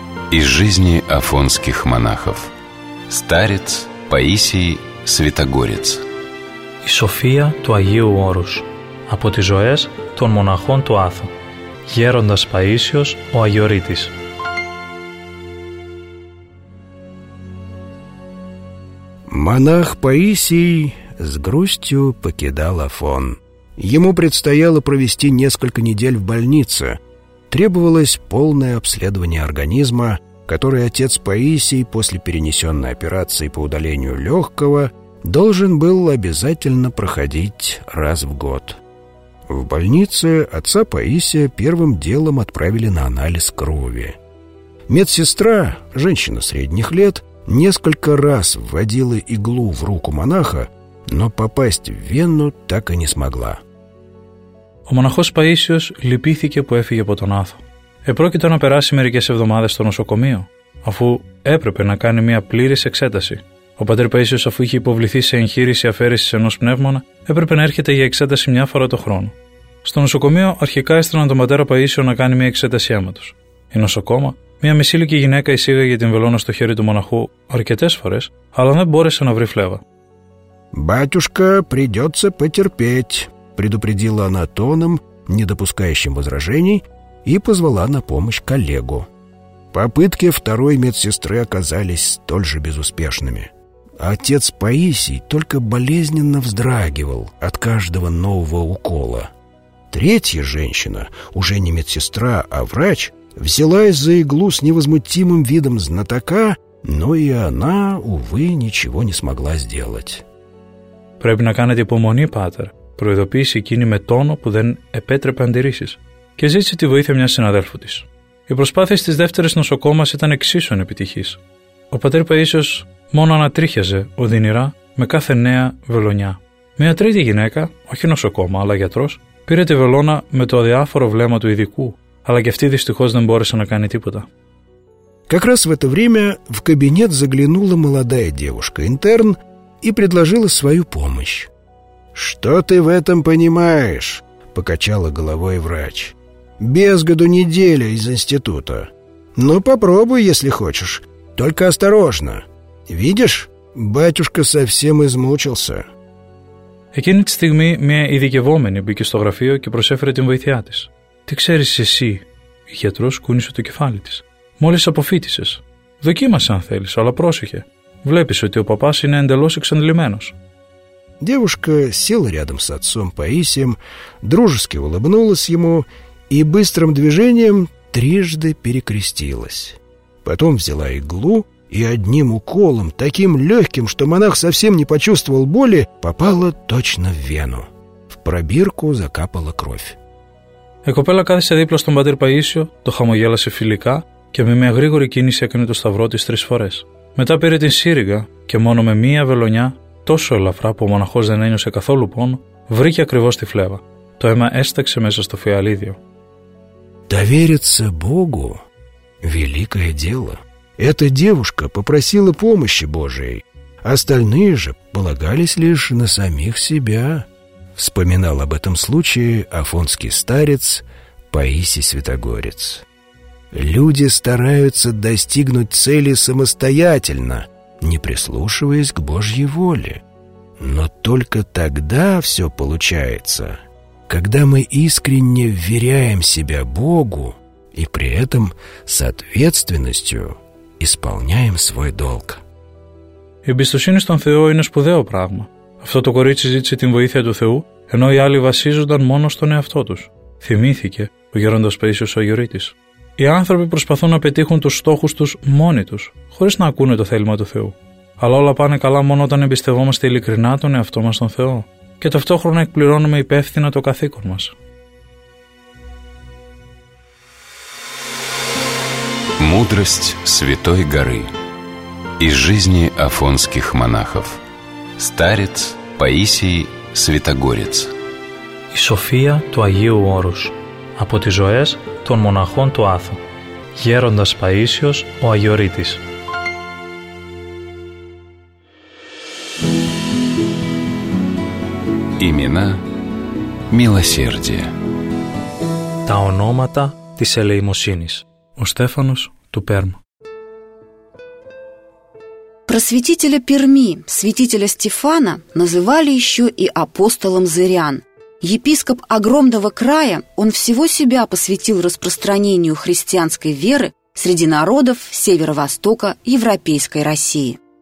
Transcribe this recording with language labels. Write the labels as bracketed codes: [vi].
[ru] Из жизни афонских монахов. Старец Паисий Святогорец. [el] Η Σοφία του Αγίου Όρους. Από τις ζωές των μοναχών του Άθου, γέροντας Παΐσιος ο Αγιορείτης. [ru] Монах Паисий с грустью покидал Афон. Ему предстояло провести несколько недель в больнице. Требовалось полное обследование организма, которое отец Паисий после перенесенной операции по удалению легкого должен был обязательно проходить раз в год. В больнице отца Паисия первым делом отправили на анализ крови. Медсестра, женщина средних лет, несколько раз вводила иглу в руку монаха, но попасть в вену так и не смогла. [el] Ο μοναχός Παΐσιος λυπήθηκε που έφυγε από τον Άθο. Επρόκειτο να περάσει μερικές εβδομάδες στο νοσοκομείο, αφού έπρεπε να κάνει μια πλήρης εξέταση. Ο πατήρ Παΐσιος, αφού είχε υποβληθεί σε εγχείρηση αφαίρεσης ενός πνεύμονα, έπρεπε να έρχεται για εξέταση μια φορά το χρόνο. Στο νοσοκομείο αρχικά έστειλαν τον πατέρα Παΐσιο να κάνει μια εξέταση αίματος. Η νοσοκόμα, μια μισήλικη γυναίκα, εισήγαγε την βελόνα στο χέρι του μοναχού αρκετές φορές, αλλά δεν μπόρεσε να βρει φλέβα. [ru] «Батюшка, придется потерпеть», предупредила она тоном, не допускающим возражений, и позвала на помощь коллегу. Попытки второй медсестры оказались столь же безуспешными. Отец Паисий только болезненно вздрагивал от каждого нового укола. Третья женщина, уже не медсестра, а врач, взялась за иглу с невозмутимым видом знатока, но и она, увы, ничего не смогла сделать. [el] «Преби на канете помони, патер», προειδοποίησε εκείνη με τόνο που δεν επέτρεπε αντιρρήσεις και ζήτησε τη βοήθεια μιας συναδέλφου της. Οι προσπάθειες της δεύτερης νοσοκόμας ήταν εξίσου ανεπιτυχείς. Ο πατέρ Παΐσιος μόνο ανατρίχιαζε οδυνηρά με κάθε νέα βελονιά. Μια τρίτη γυναίκα, όχι νοσοκόμα αλλά γιατρός, πήρε τη βελόνα με το αδιάφορο βλέμμα του ειδικού, αλλά και αυτή δυστυχώς δεν μπόρεσε να κάνει τίποτα. [ru] Как раз в это время в кабинет заглянула молодая девушка интерн и предложила свою помощь. «Что ты в этом понимаешь?» — покачала головой врач. «Без году неделя из института. Ну, попробуй, если хочешь. Только осторожно. Видишь, батюшка совсем измучился». [el] Εκείνη τη στιγμή μια ειδικευόμενη μπήκε στο γραφείο και προσέφερε την βοήθειά της. «Τι ξέρεις εσύ?» — η γιατρός κούνησε το κεφάλι της. «Μόλις αποφύτησες. Δοκίμασε αν θέλεις, αλλά πρόσεχε. Βλέπεις ότι ο παπάς είναι εντελώς εξαντλημένος». [ru] Девушка села рядом с отцом Паисием, дружески улыбнулась ему и быстрым движением трижды перекрестилась. Потом взяла иглу и одним уколом, таким легким, что монах совсем не почувствовал боли, попала точно в вену. В пробирку закапала кровь. [el] Η κοπέλα κάθισε δίπλα στον πατήρ Παΐσιο, το χαμογέλασε φιλικά και με μια γρήγορη κίνηση έκανε το σταυρό της τρεις φορές. Μετά πήρε την σύριγγα και μόνο με μία βελονιά, τόσο ελαφρά που ο μοναχός δεν ένιωσε καθόλου πόνο, βρήκε ακριβώς τη φλέβα. Το αίμα έσταξε μέσα στο φιαλίδιο. [ru] Довериться Богу – великое дело. Эта девушка попросила помощи Божией. Остальные же полагались лишь на самих себя. Вспоминал об этом случае афонский старец Паисий Святогорец. Люди стараются достигнуть цели самостоятельно, не прислушиваясь к Божьей воле. Но только тогда все получается, когда мы искренне вверяем себя Богу и при этом с ответственностью исполняем свой долг. [el] Η εμπιστοσύνη στον Θεό είναι σπουδαίο πράγμα. Αυτό το κορίτσι ζήτησε την βοήθεια του Θεού, ενώ οι άλλοι βασίζονταν μόνο στον εαυτό τους. Θυμήθηκε ο γέροντας Παΐσιος ο Αγιορείτης. Οι άνθρωποι προσπαθούν να πετύχουν τους στόχους τους μόνοι τους, χωρίς να ακούνε το θέλημα του Θεού. Αλλά όλα πάνε καλά μόνο όταν εμπιστευόμαστε ειλικρινά τον εαυτό μας στον Θεό και ταυτόχρονα εκπληρώνουμε υπεύθυνα το καθήκον μας. [ru] Мудрость Святой Горы. Из жизни афонских монахов. Старец Паисий Святогорец. [el] Η σοφία του Αγίου Όρους. Από τις ζωές των μοναχών του Άθου. Γέροντας Παΐσιος ο Αγιορείτης. [ru] Имена милосердия. [el] Τα ονόματα της ελεημοσύνης. Ο Στέφανος του Πέρμ. [ru] Просветителя Перми, святителя Стефана, называли еще и апостолом Зырян. Епископ огромного края, он всего себя посвятил распространению христианской веры среди народов северо-востока европейской России.